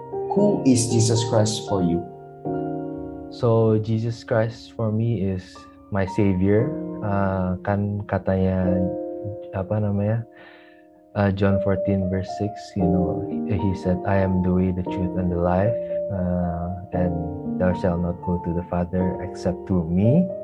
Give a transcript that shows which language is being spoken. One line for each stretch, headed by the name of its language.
English: Who is Jesus Christ for you? So Jesus Christ for me is my Savior.
Indonesian: Kan katanya apa namanya?
English: John 14 verse 6. You know, he said, "I am the way, the truth, and the life. And thou shalt not go to the Father except through me."